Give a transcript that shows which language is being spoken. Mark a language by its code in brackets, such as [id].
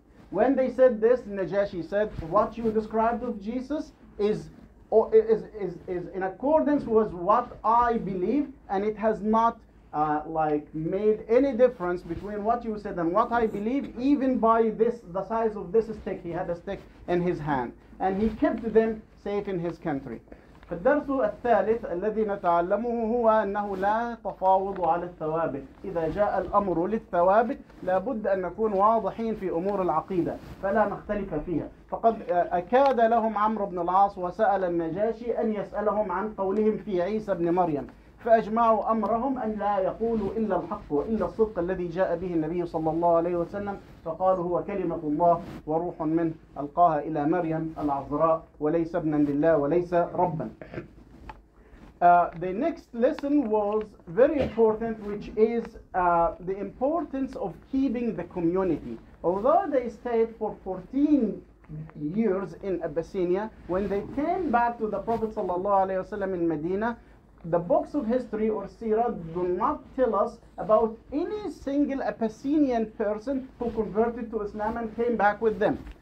[en] When they said this, Najashi said, what you described of Jesus is in accordance with what I believe, and it has not made any difference between what you said and what I believe, even by this, the size of this stick. He had a stick in his hand, and he kept them safe in his country. [ar] فالدرس الثالث الذي نتعلمه هو أنه لا تفاوض على الثوابت. إذا جاء الأمر للثوابت لابد أن نكون واضحين في أمور العقيدة فلا نختلف فيها. فقد أكاد لهم عمرو بن العاص وسأل النجاشي أن يسألهم عن قولهم في عيسى بن مريم، فأجمعوا أمرهم أن لا يقولوا إلا الحق وإلا الصدق الذي جاء به النبي صلى الله عليه وسلم، فقالوا هو كلمة الله وروح منه ألقاها إلى مريم العذراء وليس ابنا لله وليس ربا. [en] The next lesson was very important, which is the importance of keeping the community. Although they stayed for 14 years in Abyssinia, when they came back to the Prophet [ar] صلى الله عليه وسلم [en] in Medina, the books of history or sirah do not tell us about any single Abyssinian person who converted to Islam and came back with them.